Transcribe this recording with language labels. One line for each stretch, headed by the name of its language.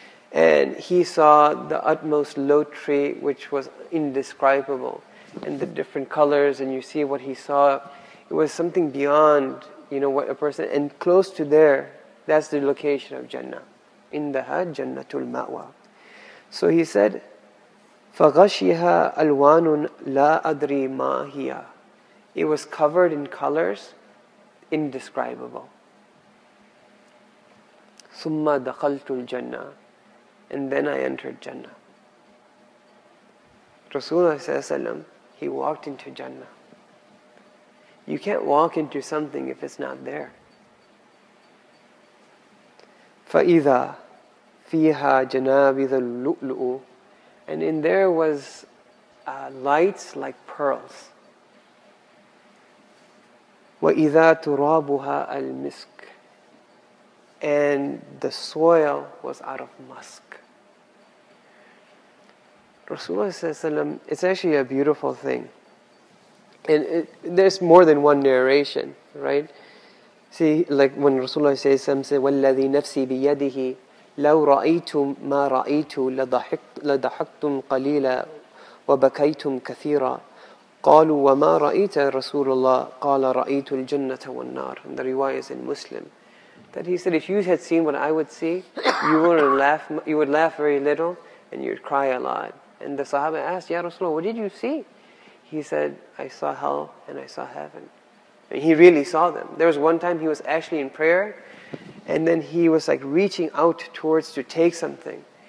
English: And he saw the utmost lot tree, which was indescribable, and the different colors, and you see what he saw. It was something beyond, you know, what a person... And close to there, that's the location of Jannah.
Arabic: إِنْدَهَا جَنَّةُ الْمَأْوَى.
English: So he said,
Arabic: فَغَشِيهَا أَلْوَانٌ لَا أَدْرِي مَا هِيَا.
English: It was covered in colors indescribable.
Arabic: ثُمَّ دَخَلْتُ الْجَنَّةِ.
English: And then I entered Jannah. Rasulullah ﷺ, he walked into Jannah. You can't walk into something if it's not there.
Arabic: فَإِذَا فِيهَا جَنَابِذَ اللُّؤْلُؤُ.
English: And in there was lights like pearls.
Arabic: وَإِذَا تُرَابُهَا الْمِسْكُ.
English: And the soil was out of musk. Rasulullah ﷺ, it's actually a beautiful thing. And there's more than one narration, right? See, like when Rasulullah ﷺ said,
Arabic: وَالَّذِي نَفْسِي بِيَدِهِ لَوْ رَأَيْتُمْ مَا رَأَيْتُ لَضَحَكْتُمْ قَلِيلًا وَبَكَيْتُمْ كَثِيرًا قَالُوا وَمَا رَأَيْتَ رَسُولُ اللَّهِ قَالَ رَأَيْتُ الْجَنَّةَ وَالنَّارِ.
English: And the riwayah is in Muslim. That he said, if you had seen what I would see, you would laugh very little and you'd cry a lot. And the Sahaba asked, Ya Rasulullah, what did you see? He said, I saw hell and I saw heaven. And he really saw them. There was one time he was actually in prayer, and then he was like reaching out towards to take something.